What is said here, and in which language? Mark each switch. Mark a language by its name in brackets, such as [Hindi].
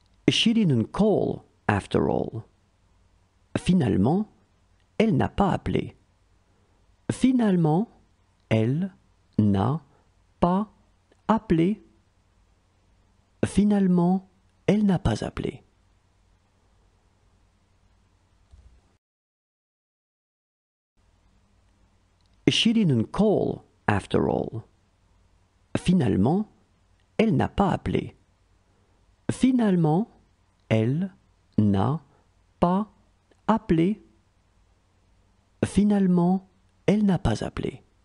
[English] She didn't call after all. [French] Finalement, elle n'a pas appelé. Finalement, elle n'a pas appelé. Finalement, elle n'a pas appelé. [English] She didn't call after all. [French] Finalement, elle n'a pas appelé. Finalement, elle n'a pas appelé. Finalement, elle n'a pas appelé.